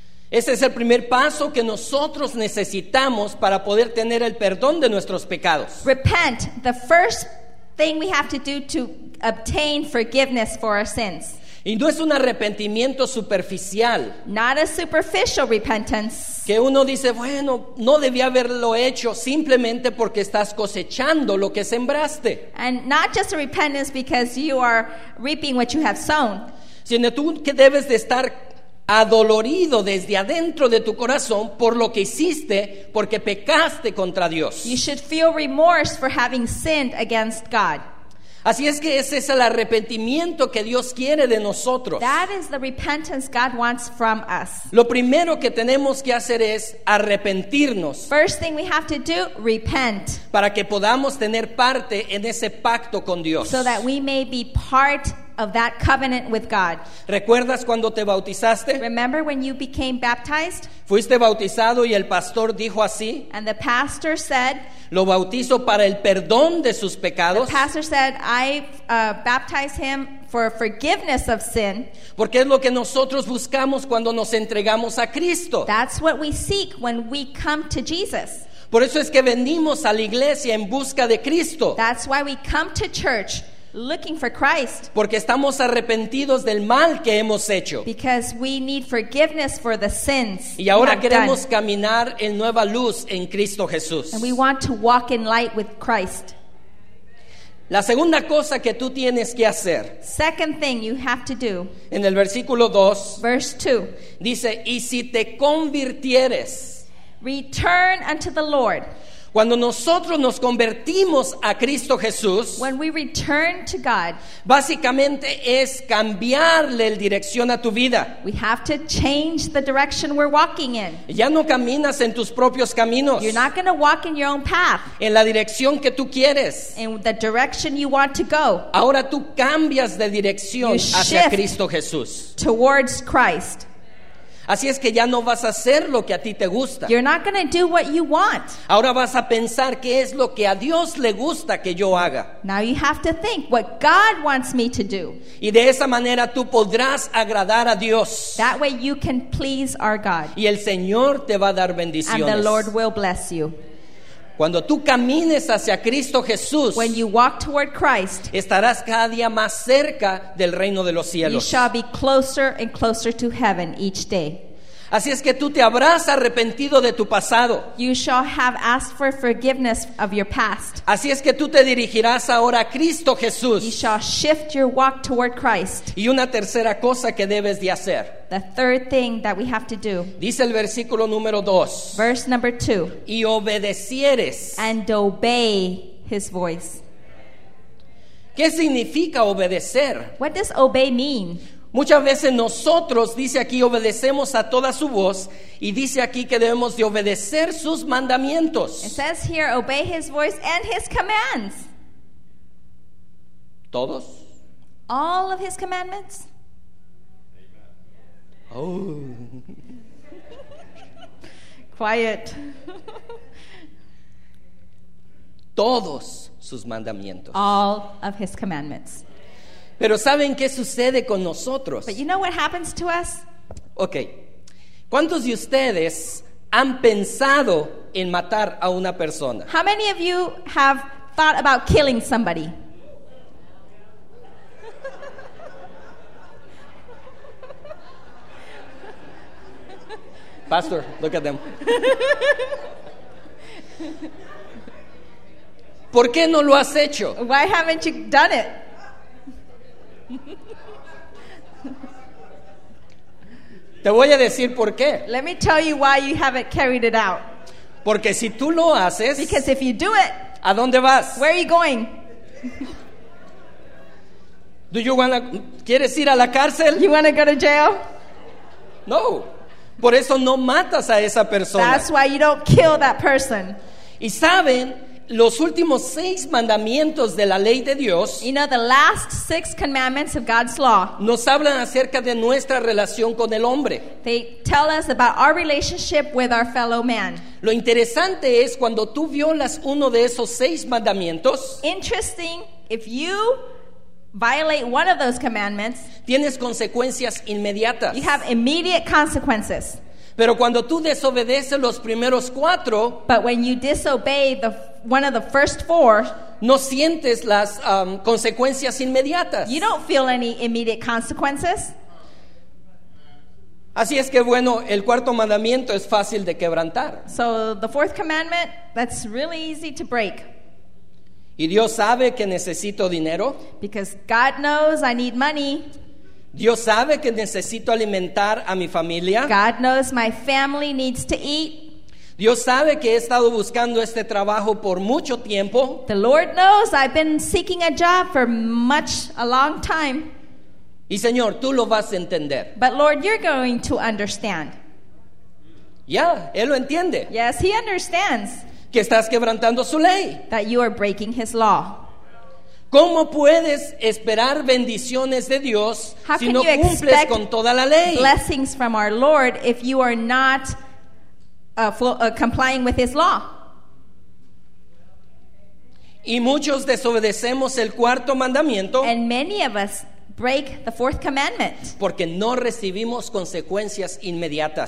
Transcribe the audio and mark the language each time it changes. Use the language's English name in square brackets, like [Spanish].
[Spanish] Ese es el primer paso que nosotros necesitamos para poder tener el perdón de nuestros pecados. [English] Repent, the first thing we have to do to obtain forgiveness for our sins. [Spanish] Y no es un arrepentimiento superficial. [English] Not a superficial repentance. [Spanish] Que uno dice, bueno, no debía haberlo hecho simplemente porque estás cosechando lo que sembraste. [English] And not just a repentance because you are reaping what you have sown. [Spanish] Sino tú que debes de estar adolorido desde adentro de tu corazón por lo que hiciste, porque pecaste contra Dios. [English] You should feel remorse for having sinned against God. [Spanish] Así es que ese es el arrepentimiento que Dios quiere de nosotros. [English] That is the repentance God wants from us. [Spanish] Lo primero que tenemos que hacer es arrepentirnos. [English] First thing we have to do, repent. [Spanish] Para que podamos tener parte en ese pacto con Dios. [English] So that we may be part of that covenant with God. [Spanish] ¿Recuerdas cuando te bautizaste? [English] Remember when you became baptized? [Spanish] Fuiste bautizado y el pastor dijo así. [English] And the pastor said, [Spanish] lo bautizo para el perdón de sus pecados. [English] The pastor said, I baptize him for forgiveness of sin. [Spanish] Porque es lo que nosotros buscamos cuando nos entregamos a Cristo. [English] That's what we seek when we come to Jesus. [Spanish] Por eso es que venimos a la iglesia en busca de Cristo. [English] That's why we come to church looking for Christ. [Spanish] Porque estamos arrepentidos del mal que hemos hecho. [English] Because we need forgiveness for the sins. [Spanish] Y ahora queremos caminar en nueva luz en Cristo Jesús. [English] And we want to walk in light with Christ. [Spanish] La segunda cosa que tú tienes que hacer. [English] Second thing you have to do. [Spanish] En el versículo 2. [English] Verse 2. [Spanish] Dice, y si te convirtieres. [English] Return unto the Lord. [Spanish] Cuando nosotros nos convertimos a Cristo Jesús, [English] when we return to God, [Spanish] básicamente es cambiarle la dirección a tu vida. [English] We have to change the direction we're walking in. [Spanish] Ya no caminas en tus propios caminos. [English] You're not going to walk in your own path. [Spanish] En la dirección que tú quieres. [English] In the direction you want to go. [Spanish] Ahora tú cambias de dirección hacia Cristo Jesús. [English] Towards Christ. [Spanish] Así es que ya no vas a hacer lo que a ti te gusta. [English] You're not going to do what you want. [Spanish] Ahora vas a pensar qué es lo que a Dios le gusta que yo haga. [English] Now you have to think what God wants me to do. [Spanish] Y de esa manera tú podrás agradar a Dios. [English] That way you can please our God. [Spanish] Y el Señor te va a dar bendiciones. [English] And the Lord will bless you. [Spanish] Cuando tú camines hacia Cristo Jesús, [English] when you walk toward Christ, [Spanish] estarás cada día más cerca del reino de los cielos. [English] You shall be closer and closer to heaven each day. [Spanish] Así es que tú te habrás arrepentido de tu pasado. [English] You shall have asked for forgiveness of your past. [Spanish] Así es que tú te dirigirás ahora a Cristo Jesús. [English] You shall shift your walk toward Christ. [Spanish] Y una tercera cosa que debes de hacer. [English] The third thing that we have to do. [Spanish] Dice el versículo número 2. [English] Verse number 2. [Spanish] Y obedecieres. [English] And obey his voice. [Spanish] ¿Qué significa obedecer? [English] What does obey mean? [Spanish] Muchas veces nosotros, dice aquí, obedecemos a toda su voz, y dice aquí que debemos de obedecer sus mandamientos. [English] It says here, obey his voice and his commands. [Spanish] ¿Todos? [English] All of his commandments. Oh. Quiet. [Spanish] Todos sus mandamientos. [English] All of his commandments. [Spanish] Pero ¿saben qué sucede con nosotros? [English] But you know what happens to us? Okay. [Spanish] ¿Cuántos de ustedes han pensado en matar a una persona? [English] How many of you have thought about killing somebody? Pastor, look at them. [Spanish] ¿Por qué no lo has hecho? [English] Why haven't you done it? [Spanish] Te voy a decir por qué. [English] Let me tell you why you haven't carried it out. [Spanish] Porque si tú lo haces, [English] because if you do it, [Spanish] ¿a dónde vas? [English] Where are you going? Do you wanna, [Spanish] ¿quieres ir a la cárcel? [English] You wanna go to jail? [Spanish] No. Por eso no matas a esa persona. [English] That's why you don't kill that person. [Spanish] Y saben, los últimos 6 mandamientos de la ley de Dios, [English] you know, the last 6 commandments of God's law, [Spanish] nos hablan acerca de nuestra relación con el hombre. [English] They tell us about our relationship with our fellow man. [Spanish] Lo interesante es cuando tú violas uno de esos 6 mandamientos. [English] Interesting, if you violate one of those commandments, [Spanish] tienes consecuencias inmediatas. [English] You have immediate consequences. [Spanish] Pero cuando tú desobedeces los primeros 4, [English] but when you disobey the one of the first 4, [Spanish] no sientes las consecuencias inmediatas. [English] You don't feel any immediate consequences. [Spanish] Así es que bueno, el cuarto mandamiento es fácil de quebrantar. [English] So the fourth commandment, that's really easy to break. [Spanish] Y Dios sabe que necesito dinero. [English] Because God knows I need money. [Spanish] Dios sabe que necesito alimentar a mi familia. [English] God knows my family needs to eat. [Spanish] Dios sabe que he estado buscando este trabajo por mucho tiempo. [English] The Lord knows I've been seeking a job for a long time. [Spanish] Y Señor, tú lo vas a entender. [English] But Lord, you're going to understand. [Spanish] Ya, él lo entiende. [English] Yes, he understands. [Spanish] Que estás quebrantando su ley. [English] That you are breaking his law. [Spanish] ¿Cómo puedes esperar bendiciones de Dios si no cumples con toda la ley? [English] Blessings from our Lord if you are not complying with his law. [Spanish] Y muchos desobedecemos el cuarto mandamiento. [English] And many of us break the fourth commandment. [Spanish] Porque no recibimos consecuencias inmediatas.